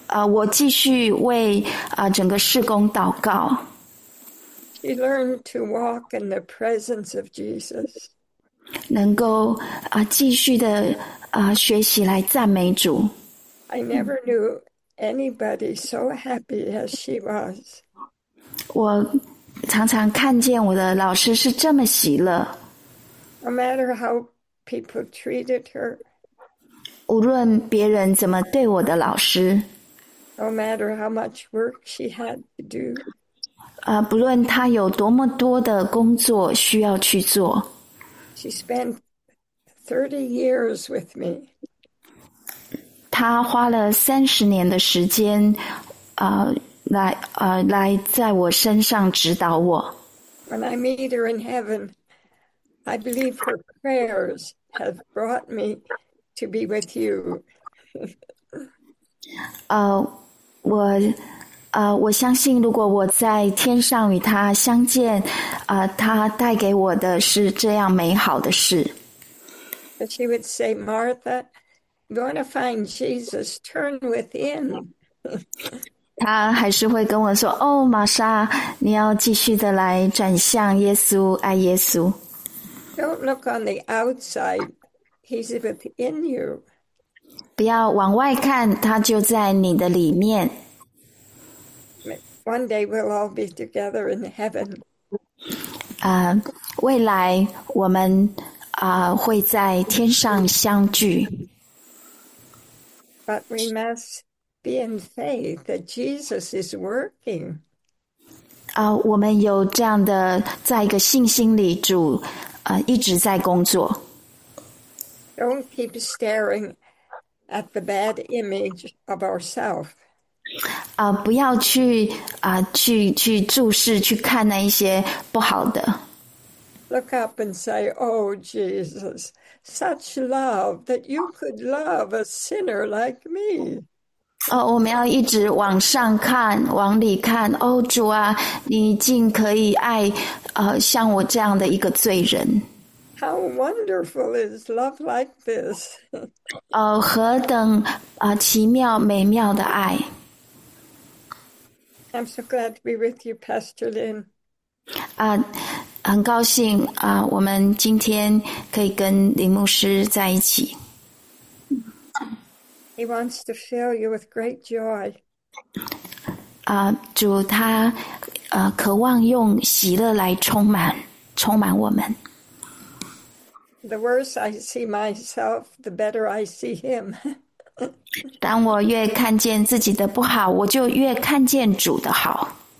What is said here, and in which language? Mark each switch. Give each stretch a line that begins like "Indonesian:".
Chinese: 我继续为整个事工祷告。
English: He learned to walk in the presence of Jesus.
Chinese: 能够继续的学习来赞美主。
English: I never knew anybody so happy as she was.
Chinese: 我常常看见我的老师是这么喜乐。
English: No matter how people treated her,
Chinese: 无论别人怎么对我的老师。
English: no matter how much work she had to do,
Chinese: 不论他有多么多的工作需要去做。
English: She spent 30 years with me.
Chinese: 他花了30年的时间，来在我身上指导我。
English: When I meet her in heaven, I believe her prayers have brought me to be with you.
Chinese: 我相信，如果我在天上与他相见，他带给我的是这样美好的事。
English: But she would say, Martha, you want to find Jesus, turn within.
Chinese: 他还是会跟我说，哦，玛莎，你要继续的来转向耶稣，爱耶稣。
English: Don't look on the outside, he's within you.
Chinese: 不要往外看，他就在你的里面。
English: One day we'll all be together in heaven.
Chinese: 未来我们会在天上相聚。
English: But we must be in faith that Jesus is working.
Chinese: 我们有这样的，在一个信心里主，一直在工作。
English: Don't keep staring at the bad image of ourselves.
Chinese: 不要去去注视去看那一些不好的。
English: Look up and say, "Oh Jesus, such love that you could love a sinner like me."
Chinese: 我们要一直往上看，往里看。哦，主啊，你竟可以爱像我这样的一个罪人。
English: How wonderful is love like this?
Chinese: 何等奇妙美妙的爱。
English: I'm so glad to be with you, Pastor Lin.
Chinese: 很高兴我们今天可以跟林牧师在一起。
English: He wants to fill you with great joy.
Chinese: 主他渴望用喜乐来充满我们。
English: The worse I see myself, the better I see him.
Chinese: 当我越看见自己的不好，我就越看见主的好。